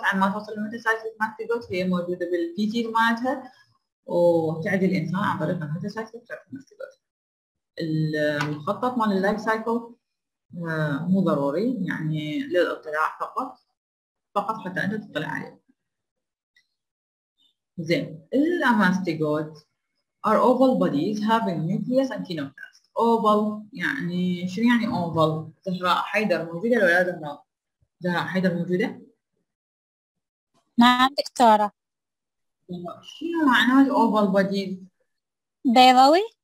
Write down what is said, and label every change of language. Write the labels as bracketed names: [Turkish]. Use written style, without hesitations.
[Arabic] عن ما تصل الميتاسايكليك ماستيجوت هي موجوده بالبي تي مالتها، وتعدي الانسان عن طريق الميتاسايكليك ترايكوماستيجوت. المخطط مال اللايف سايكل مو ضروري يعني للاطلاع فقط حتى انت تطلع عليه. [English] زين الاماستيغوت are oval bodies having nucleus and kinoplast. [Arabic] oval يعني شو يعني oval؟ زهرة حيدر موجودة ولا زهرة؟ زهرة حيدر موجودة؟ نعم دكتورة. شنو معنى oval bodies؟ بيضاوي.